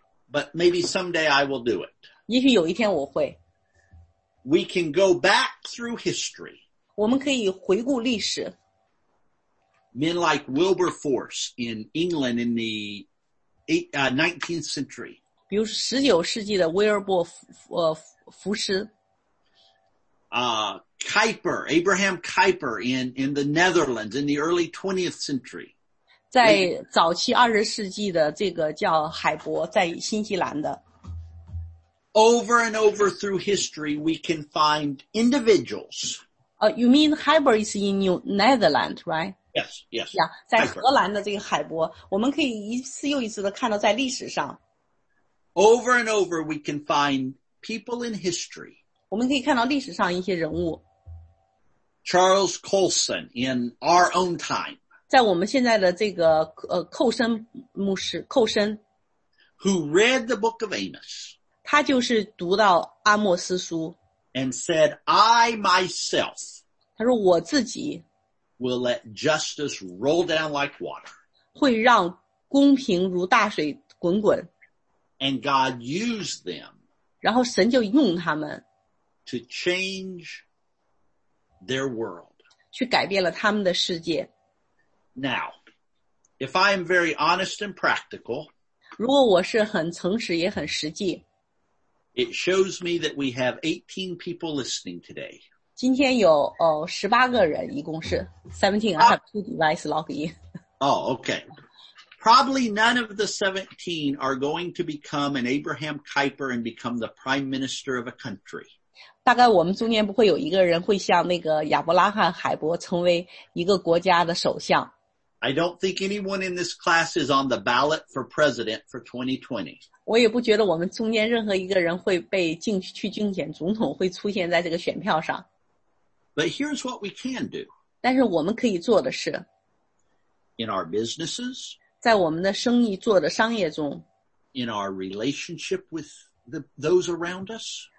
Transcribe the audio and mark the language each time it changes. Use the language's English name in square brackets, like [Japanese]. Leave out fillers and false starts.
[English] But maybe someday I will do it. [Chinese] 也许有一天我会。 [English] We can go back through history. [Chinese] 我们可以回顾历史。 [English] Men like Wilberforce in England in the 19th century. [Chinese] 比如19世纪的威尔伯福斯。 [English] Kuyper, Abraham Kuyper in the Netherlands in the early 20th century. [Chinese] 在早期20世纪的这个叫海伯在新西兰的。 [English] Over and over through history, we can find individuals. You mean Heiber is in New Netherlands, right? Yes, yes. [Chinese] Yeah, 在荷兰的这个海伯，我们可以一次又一次的看到在历史上。 [English] Over and over, we can find people in history. [Chinese] 我们可以看到历史上一些人物。 [English] Charles Colson in our own time. [Chinese] 在我们现在的这个寇森牧师，寇森。 [English] Who read the book of Amos. [Chinese] 他就是读到阿莫斯书 [English] and said, I myself [Chinese] 他说我自己 [English] will let justice roll down like water [Chinese] 会让公平如大水滚滚 [English] and God used them [Chinese] 然后神就用他们 [English] to change their world [Chinese] 去改变了他们的世界 [English] Now, if I am very honest and practical [Chinese] 如果我是很诚实也很实际 [English] It shows me that we have 18 people listening today. [Chinese] 今天有18个人一共是 17, [English] I have two device log in. Oh, okay. Probably none of the 17 are going to become an Abraham Kuyper and become the prime minister of a country. [Chinese] 大概我们中间不会有一个人会像那个亚伯拉罕海伯成为一个国家的首相。 [English] I don't think anyone in this class is on the ballot for president for 2020. [Chinese] 我也不觉得我们中间任何一个人会被竞选总统会出现在这个选票上。 [English] But here's what we can do. [Chinese] 但是我们可以做的是 [English] In our businesses. [Chinese] 在我们的生意做的商业中 [English] In our relationship with those around us.